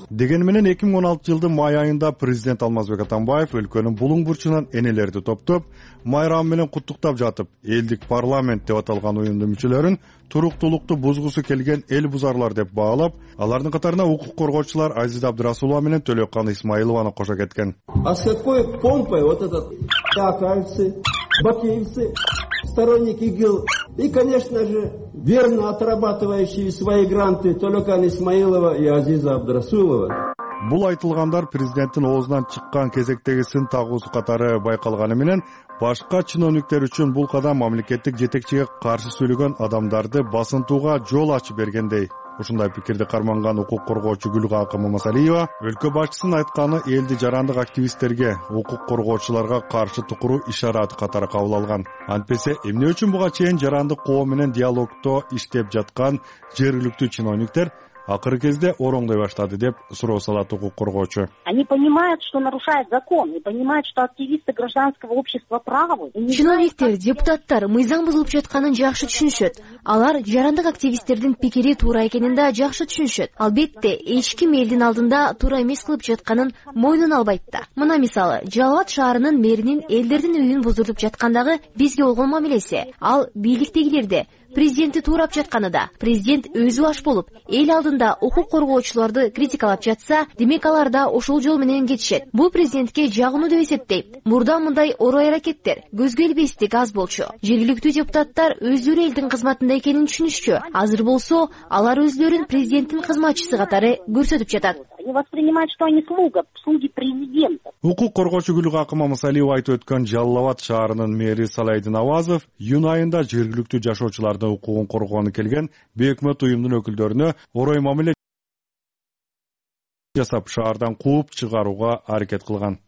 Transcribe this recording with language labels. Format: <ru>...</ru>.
<ky>Деген менен 2016 жылдын май айында президент Алмазбек Атамбаев өлкөнүн булуң бурчунан энелерди топтоп, майрам менен куттуктап жатып, элдик парламент деп аталган уюмдун мүчөлөрүн туруктулукту бузгусу келген эл бузарлар деп баалап, алардын катарына укук коргоочулар Азиз Абдырасулова менен Төлөккан Исмаилованы кошо кеткен.</ky> <ru>Аскакой помпой вот этот такальцы, бакиевцы, сторонник ИГИЛ. И, конечно же, верно отрабатывающие свои гранты Төлөккан Исмаилова и Азиза Абдырасулова.</ru> <ky>Бул айтылгандар президенттин оозунан чыккан кезектеги сын тагуусу катары байкалганы менен башка чиновниктер үчүн бул кадам мамлекеттик жетекчиге каршы сүйлөгөн адамдарды басынтууга жол ачып бергендей. Ушундай пикирди карманган укук коргоочу Гүлгакы Мамасалиева өлкө башчысынын айтканы элди жарандык активисттерге, укук коргоочуларга каршы тукуруу ишарат катары кабыл алган. Антпесе эмне үчүн буга чейин жарандык коом менен диалогдо иштеп жаткан жергиликтүү чиновниктер акыркы кезде ороңдой баштады деп суроо салат укук коргоочу.</ky> <ru>Они понимают, что нарушают закон, и понимают, что активисты гражданского общества правы.</ru> <ky>Чиновниктер, депутаттар мыйзам бузулуп жатканын жакшы түшүнүшөт. Алар жарандык активисттердин пикири туура экенин да жакшы түшүнүшөт. Албетте, эч ким элдин алдында туура эмес кылып жатканын мойнун албайт да. Мына мисалы, Жалбат шаарынын мэринин элдердин үйүн бузуруп жаткандагы бизге болгон мамилеси. Ал бийликтегилерди президентти туурап жатканы да, президент өзү аш болуп, эл алдында укук коргоочуларды критикалап жатса, демек алар да ошол жол менен кетишет. Бул президентке жагынуу деп эсептейт. Мурда мындай орой аракеттер көзгө элбестик аз болчу. Жергиликтүү депутаттар өздөрү элдин кызматында экенин түшүнүшчү. Азыр болсо, алар өздөрүн президенттин кызматчысы катары көрсөтүп жатат.</ky> <ru>Не воспринимают, что они слуга, слуги президента.</ru> <ky>Укук коргоочу Гүлгакы Мамасалиева айтып өткөн Жалалабад шаарынын мэри Салайдын Авазов июнь айында жергиликтүү жашоочулардын укугун коргогону келген бейөкмөт уюмдун өкүлдөрүнө орой мамиле жасап шаардан кууп чыгарууга аракет кылган.</ky>